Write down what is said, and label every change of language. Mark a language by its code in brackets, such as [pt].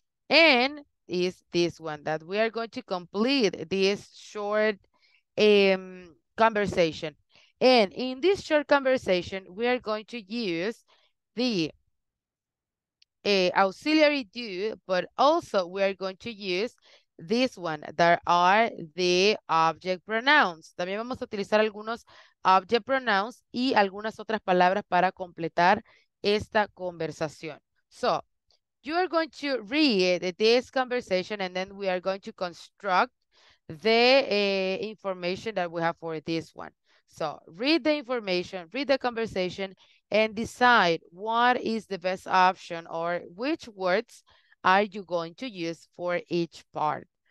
[en] And is this one that we are going to complete this short conversation. And in this short conversation, we are going to use the auxiliary do, but also we are going to use this one. There are the object pronouns. [es] También vamos a utilizar algunos object pronouns y algunas otras palabras para completar esta conversación. [en] So, you are going to read this conversation and then we are going to construct the information that we have for this one. So read the information, read the conversation and decide what is the best option or which words are you going to use for each part.